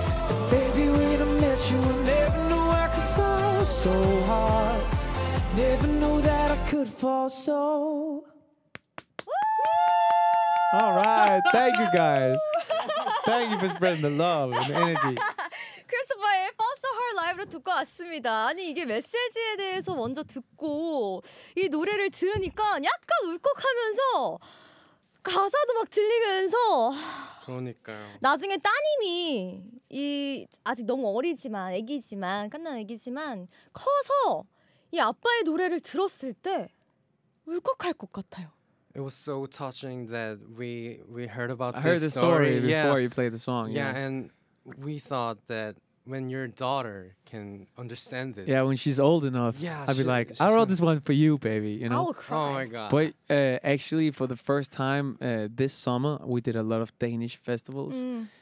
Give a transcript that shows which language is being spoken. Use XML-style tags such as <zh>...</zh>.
<en>And baby, when I met you, I never knew I could fall so hard. Never knew that I could fall so. All right. Thank you, guys. Thank you for spreading the love and energy.</en> <ko>크리스토퍼의 Fall So Hard 라이브로 듣고 왔습니다. 아니, 이게 메시지에 대해서 먼저 듣고 이 노래를 들으니까 약간 울컥하면서 가사도 막 들리면서 그러니까요. 나중에 따님이 이 아직 너무 어리지만, 애기지만, 끝난 애기지만 커서 이 아빠의 노래를 들었을 때 울컥할 것 같아요.</ko> <en>It was so touching that we heard about this story. I heard the story before you played the song. Yeah, and we thought that when your daughter can understand this. Yeah, when she's old enough, yeah, I'd be like, I wrote this one for you, baby. You know? I will cry. Oh my God. But actually, for the first time this summer, we did a lot of Danish festivals. Mm.</en>